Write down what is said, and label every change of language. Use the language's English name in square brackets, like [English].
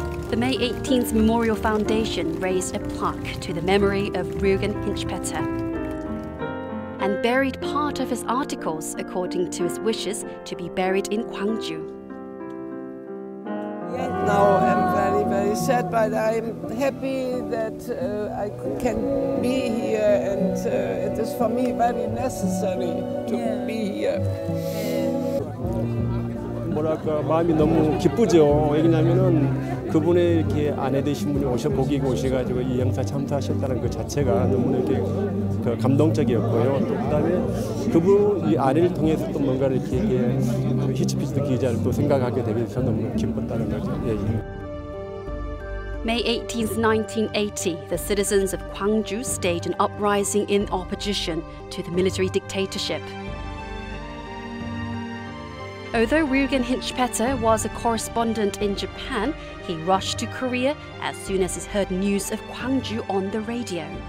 [English] The May 18th Memorial Foundation raised a plaque to the memory of Jürgen Hinzpeter and buried part of his articles according to his wishes to be buried in Gwangju. Now I'm very, very sad, but I'm happy that I can be here, and it is for me very necessary to be here. [Korean] 뭐랄까 마음이 너무 기쁘죠. 왜냐하면은 그분의 이렇게 아내 되신 분이 오셔 보기 오셔가지고 이 행사 참사하셨다는 그 자체가 너무 이렇게 그 감동적이었고요. 또 그다음에 그분 이 아내를 통해서 또 뭔가를 이렇게 히츠피스 기자를 또 생각하게 되면서 너무 기뻤다는 거죠. 예, 예. [English] May 18th, 1980, the citizens of Gwangju staged an uprising in opposition to the military dictatorship. Although Jürgen Hinzpeter was a correspondent in Japan, he rushed to Korea as soon as he heard news of Gwangju on the radio.